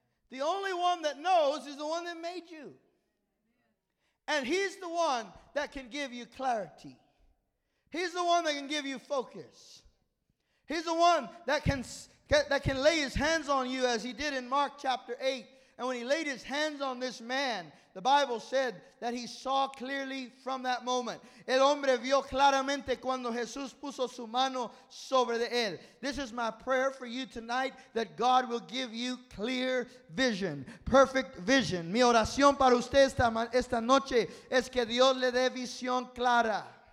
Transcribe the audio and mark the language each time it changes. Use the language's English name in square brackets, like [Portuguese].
[English] The only one that knows is the one that made you. And he's the one that can give you clarity. He's the one that can give you focus. He's the one that can lay his hands on you as he did in Mark chapter 8. And when he laid his hands on this man, the Bible said that he saw clearly from that moment. [Spanish] El hombre vio claramente cuando Jesús puso su mano sobre de él. [English] This is my prayer for you tonight, that God will give you clear vision, perfect vision. [Spanish] Mi oración para usted esta noche es que Dios le dé visión clara.